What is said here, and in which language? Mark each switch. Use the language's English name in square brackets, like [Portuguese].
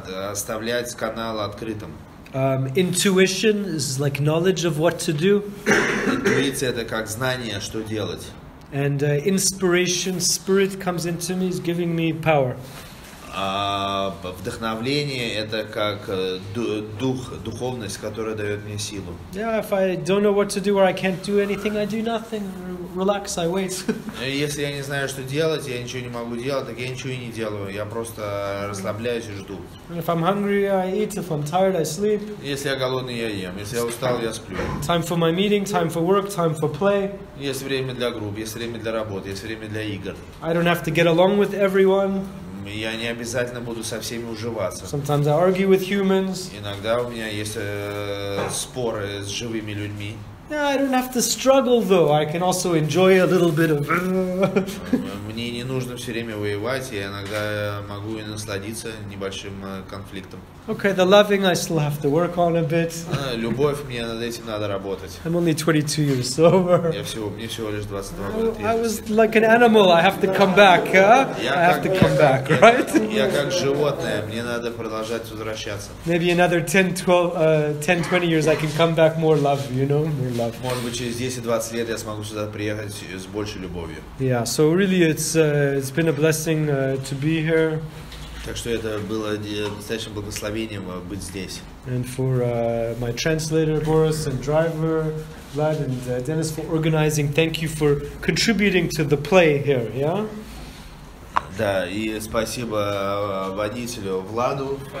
[Russian] Оставлять канал открытым. [English] Intuition is like knowledge of what to do. [Russian] Интуиция это как знание, что делать. [English] And inspiration, spirit comes into me, is giving me power. [Russian] Вдохновление — это как дух, духовность, которая дает мне силу. [English] Yeah, if I don't know what to do or I can't do anything, I do nothing. Relax, I wait. [Russian] Если я не знаю, что делать, я ничего не могу делать, так я ничего и не делаю. Я просто расслабляюсь и жду. [English] If I'm hungry, I eat. If I'm tired, I sleep. [Russian] Если я голодный, я ем. Если я устал, я сплю. [English] Time for my meeting, time for work, time for play. [Russian] Есть время для групп, есть время для работы, есть время для игр. [English] I don't have to get along with everyone. [Russian] Я не обязательно буду со всеми уживаться. [English] Sometimes I argue with humans. [Russian] Иногда у меня есть споры с живыми людьми. [English] Yeah, I don't have to struggle though. I can also enjoy a little bit of. [Russian] Мне не нужно все время воевать, я иногда могу и насладиться небольшим конфликтом. [English] Okay, the loving I still have to work on a bit. [Russian] Любовь мне над этим надо работать. [English] I'm only 22 years sober. [Russian] Мне всего лишь 22 года. [English] I was like an animal. I have to come back, huh? I have to come back, right? [Russian] Я как животное, мне надо продолжать возвращаться. [English] Maybe another 10-20 years I can come back more love, you know. [Russian] Может быть, через 10-20 лет я смогу сюда приехать с большей любовью. [English] Yeah, so really it's been a blessing to be here. [Russian] Так что это было настоящим благословением быть здесь. [English] And for my translator Boris and driver Vlad and Dennis for organizing. Thank you for contributing to the play here, yeah? [Russian] Да, и спасибо водителю Владу.